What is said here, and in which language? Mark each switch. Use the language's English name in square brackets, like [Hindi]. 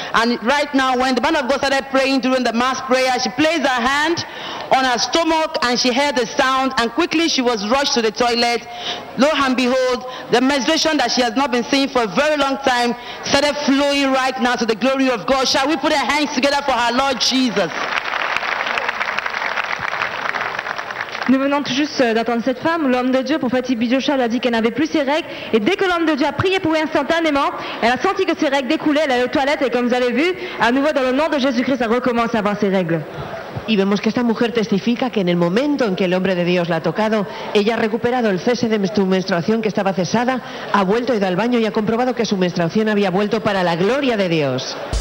[English] And right now, when the man of God started praying during the mass prayer, she placed her hand on her stomach and she heard the sound, and quickly she was rushed to the toilet. Lo and behold, the menstruation that she has not been seeing for a very long time started flowing right now to the glory of God. Shall we put our hands together for our Lord Jesus? [French] Nous venons tout juste d'entendre cette femme. L'homme de Dieu, prophète Ibidjocha, l'a dit qu'elle n'avait plus ses règles. Et dès que l'homme de Dieu a prié pour elle instantanément, elle a senti que ses règles découlaient. Elle a eu aux toilettes et comme vous avez vu, à nouveau dans le nom de Jésus-Christ, elle recommence à avoir ses règles. [Spanish] Y vemos que esta mujer testifica que en el momento en que el hombre de Dios la ha tocado, ella ha recuperado el cese de su menstruación que estaba cesada, ha vuelto, ido al baño y ha comprobado que su menstruación había vuelto para la gloria de Dios.